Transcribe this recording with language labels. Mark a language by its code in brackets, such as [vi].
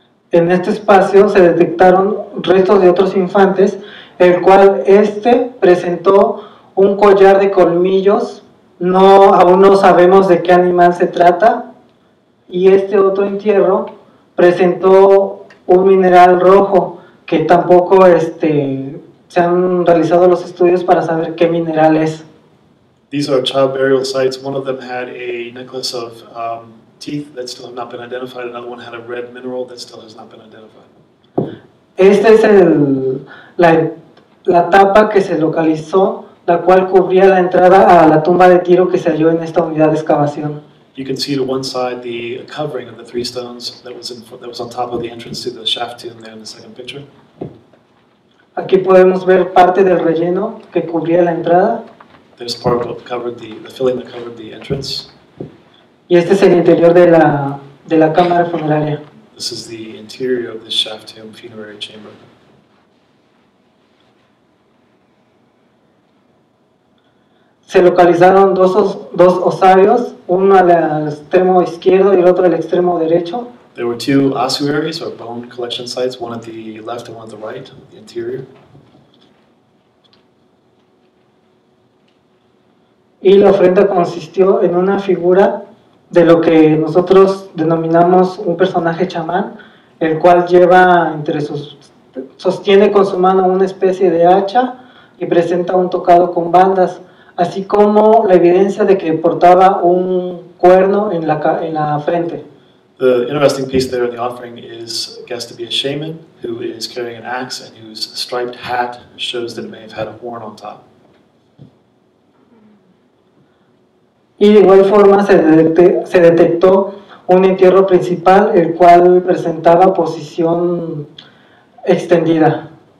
[es] En este espacio se detectaron restos de otros infantes, el cual este presentó un collar de colmillos. No, aún no sabemos de qué animal se trata. Y este otro entierro presentó un mineral rojo que tampoco se han realizado los estudios para saber qué mineral es. [en] These are child burial sites. One of them had a necklace of teeth that still have not been identified. Another one had a red mineral that still has not been identified. [es] Esta es la tapa que se localizó, la cual cubría la entrada a la tumba de tiro que se halló en esta unidad de excavación. [en] You can see to one side the covering of the three stones that was on top of the entrance to the shaft tomb there in the second picture. [es] Aquí podemos ver parte del relleno que cubría la entrada. [en] There's part of what covered the filling that covered the entrance. [es] Y este es el interior de la cámara funeraria. [en] This is the interior of the shaft tomb funerary chamber. [es] Se localizaron dos osarios, uno al extremo izquierdo y el otro al extremo derecho. [en] There were two ossuaries or bone collection sites, one at the left and one at the right, the interior. [es] Y la ofrenda consistió en una figura de lo que nosotros denominamos un personaje chamán, el cual lleva sostiene con su mano una especie de hacha y presenta un tocado con bandas. así como la evidencia de que portaba un cuerno en la frente. [en] The interesting piece there in the offering is guessed to be a shaman who is carrying an axe and whose striped hat shows that it may have had a horn on top. [es] Y de igual forma se detectó un entierro principal el cual presentaba posición extendida.